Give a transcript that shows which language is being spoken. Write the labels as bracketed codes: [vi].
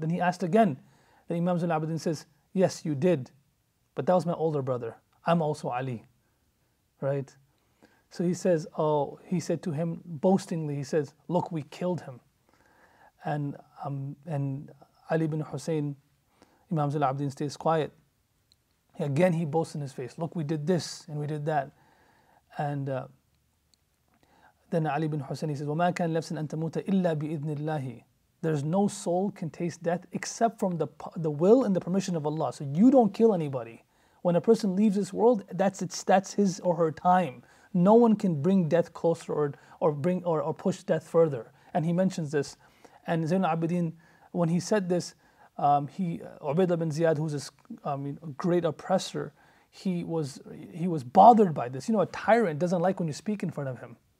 [en] Then he asked again, then Imam Zayn al-Abidin says, yes, you did, but that was my older brother. I'm also Ali, right? So he says, oh, he said to him boastingly, he says, look, we killed him. And Ali ibn Husayn, Imam Zayn al-Abidin, stays quiet. Again, he boasts in his face, look, we did this and we did that. And then Ali ibn Husayn, he says, [ar] وَمَا كَانَ لَفْسٍ أَن تَمُوتَ إِلَّا بِإِذْنِ اللَّهِ. [en] There's no soul can taste death except from the will and the permission of Allah. So you don't kill anybody. When a person leaves this world, that's his or her time. No one can bring death closer or push death further. And he mentions this. And Zayn al-Abidin, when he said this, Ubaidah bin Ziyad, who's a great oppressor, he was bothered by this. You know, a tyrant doesn't like when you speak in front of him.